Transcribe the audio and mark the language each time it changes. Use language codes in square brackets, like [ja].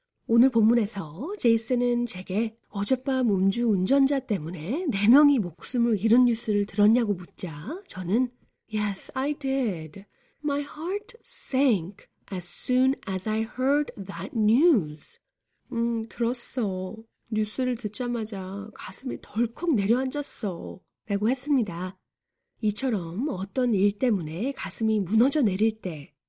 [ko] 오늘 본문에서 제이슨은 제게 어젯밤 음주운전자 때문에 4명이 목숨을 잃은 뉴스를 들었냐고 묻자 저는 [en] Yes, I did. My heart sank as soon as I heard that news. [ko] 들었어. 뉴스를 듣자마자 가슴이 덜컥 내려앉았어. 라고 했습니다. 이처럼 어떤 일 때문에 가슴이 무너져 내릴 때